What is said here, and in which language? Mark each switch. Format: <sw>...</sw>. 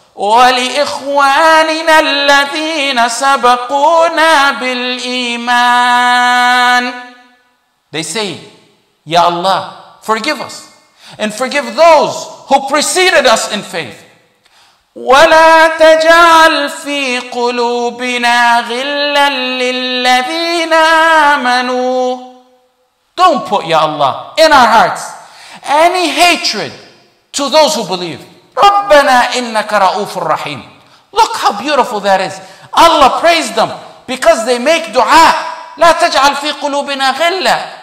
<ar>ولإخواننا الذين سبقونا بالإيمان.</ar> <en>They say, Ya Allah, forgive us. And forgive those who preceded us in faith.</en> <ar>ولا تجعل في قلوبنا غلا للذين آمنوا.</ar> <en>Don't put, Ya Allah, in our hearts any hatred to those who believe.</en> <ar>ربنا إنك رؤوف الرحيم.</ar> <en>Look how beautiful that is. Allah praised them because they make dua.</en> <ar>لا تجعل في قلوبنا غلا.</ar>